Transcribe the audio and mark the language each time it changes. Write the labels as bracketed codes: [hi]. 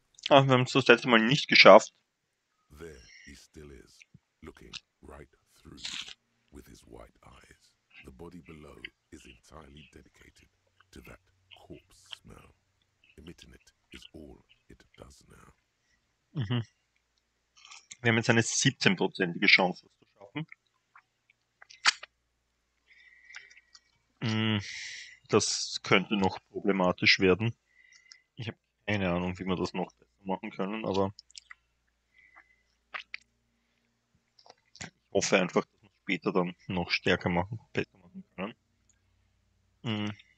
[de] Ach, wir haben es das letzte Mal nicht geschafft. [en] There he still is, looking right through with his white eyes. The body below is entirely dedicated to that corpse smell. Emitting it is all it does now. [de] Wir haben jetzt eine 17%ige Chance, das zu schaffen. Das könnte noch problematisch werden. Ich habe keine Ahnung, wie man das noch machen können, aber ich hoffe einfach, dass wir später dann noch stärker machen, besser machen können.